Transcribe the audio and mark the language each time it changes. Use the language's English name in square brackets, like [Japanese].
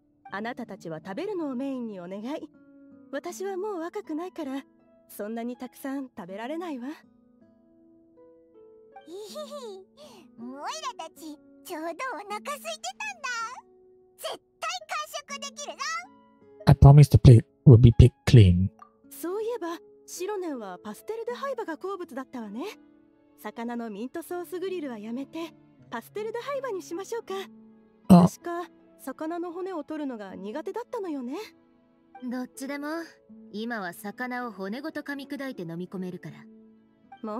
[Japanese] あなたたちは食べるのをメインにお願い。私はもう若くないからそんなにたくさん食べられないわ。イヒヒ、オイラたちちょうどお腹空いてたんだ。絶対完食できるぞ。 [English] I promise the plate will be picked clean. [Japanese] そういえばシロネンはパステルデハイバが好物だったわね。魚のミントソースグリルはやめてパステルデハイバにしましょうか。確か魚の骨を取るのが苦手だったのよね。どっちでも、今は魚を骨ごと噛み砕いて飲み込めるから。